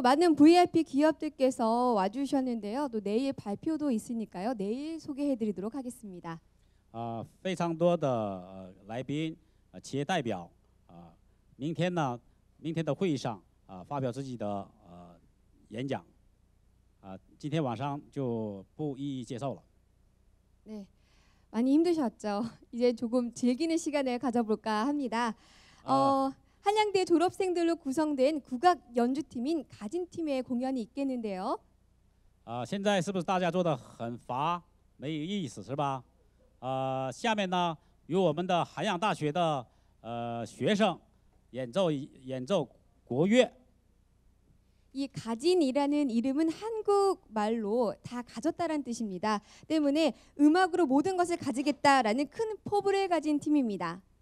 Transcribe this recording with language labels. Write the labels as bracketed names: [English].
[Korean] 많은 VIP 기업들께서 와주셨는데요. 또 내일 발표도 있으니까요. 내일 소개해드리도록 하겠습니다. [Chinese] 非常多的来宾、企业代表，明天呢，明天的会议上发表自己的演讲，今天晚上就不一一介绍了。 [Korean] 네, 많이 힘드셨죠? 이제 조금 즐기는 시간을 가져볼까 합니다. 한양대 졸업생들로 구성된 국악 연주팀인 가진팀의 공연이 있겠는데요. [Chinese] 现在是不是大家做的很乏，没有意思，是吧？下面呢，由我们的韩阳大学的学生演奏国乐。 [Korean] 이 가진이라는 이름은 한국말로 다 가졌다라는 뜻입니다. 때문에 음악으로 모든 것을 가지겠다라는 큰 포부를 가진 팀입니다.